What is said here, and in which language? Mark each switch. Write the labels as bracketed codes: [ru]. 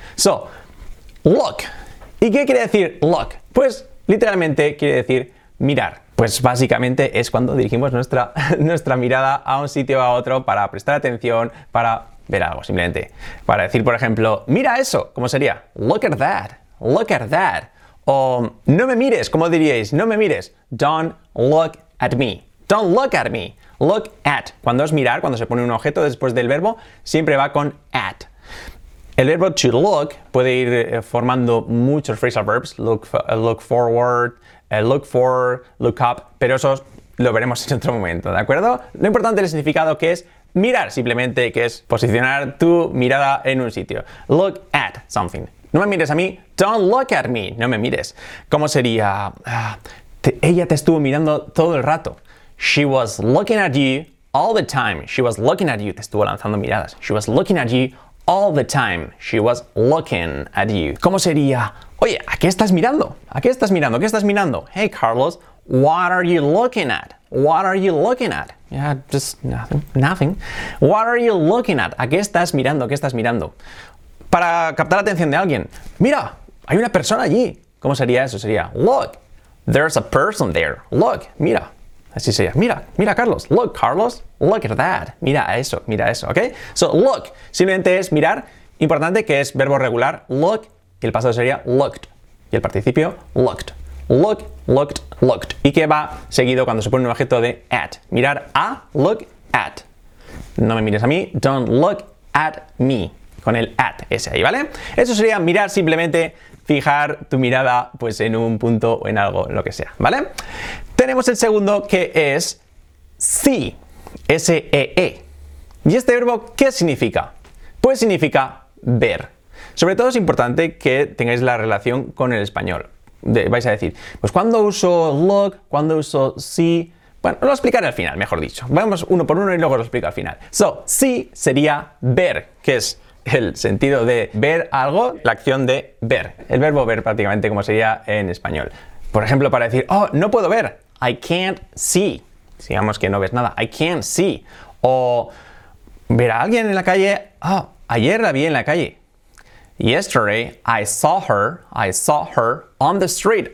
[en] So, look. [es] ¿Y qué quiere decir look? Pues, literalmente quiere decir mirar. Pues básicamente es cuando dirigimos nuestra mirada a un sitio o a otro para prestar atención, para ver algo, simplemente. Para decir, por ejemplo, mira eso, ¿cómo sería? [en] Look at that, look at that. [es] O no me mires, ¿cómo diríais? No me mires. [en] Don't look at me. Don't look at me. Look at. [es] Cuando es mirar, cuando se pone un objeto después del verbo, siempre va con at. El verbo to look puede ir formando muchos phrasal verbs. [en] Look forward, look for, look up. [es] Pero eso lo veremos en otro momento, ¿de acuerdo? Lo importante es el significado, que es mirar. Simplemente que es posicionar tu mirada en un sitio. [en] Look at something. [es] No me mires a mí. [en] Don't look at me. [es] No me mires. ¿Cómo sería? Ella te estuvo mirando todo el rato. [en] She was looking at you all the time. She was looking at you. [es] Te estuvo lanzando miradas. [en] She was looking at you all the time. She was looking at you. [es] ¿Cómo sería? Oye, ¿a qué estás mirando? ¿A qué estás mirando? ¿Qué estás mirando? [en] Hey, Carlos, what are you looking at? What are you looking at? Yeah, just nothing. Nothing. What are you looking at? [es] ¿A qué estás mirando? ¿Qué estás mirando? Para captar la atención de alguien. Mira, hay una persona allí. ¿Cómo sería eso? [en] Sería, look, there's a person there. Look, mira. [es] Así sería, mira, mira, Carlos. [en] Look, Carlos, look at that. [es] Mira eso, ¿ok? [en] So, look, [es] simplemente es mirar. Importante que es verbo regular, look, y el pasado sería looked. Y el participio, looked. [en] Look, looked, looked. [es] Y que va seguido cuando se pone un objeto de at. Mirar a, [en] look at. [es] No me mires a mí, [en] don't look at me. [es] Con el at ese ahí, ¿vale? Eso sería mirar, simplemente fijar tu mirada pues en un punto o en algo, lo que sea, ¿vale? Tenemos el segundo, que es see, S-E-E. ¿Y este verbo qué significa? Pues significa ver. Sobre todo es importante que tengáis la relación con el español. Vais a decir, pues ¿cuándo uso look? ¿Cuándo uso see? Bueno, lo explicaré al final, mejor dicho. Vamos uno por uno y luego lo explico al final. So, see sería ver, que es el sentido de ver algo, la acción de ver. El verbo ver prácticamente como sería en español. Por ejemplo, para decir, oh, no puedo ver. [en] I can't see. [es] Digamos que no ves nada. [en] I can't see. [es] O ver a alguien en la calle. Oh, ayer la vi en la calle. [en] Yesterday I saw her on the street.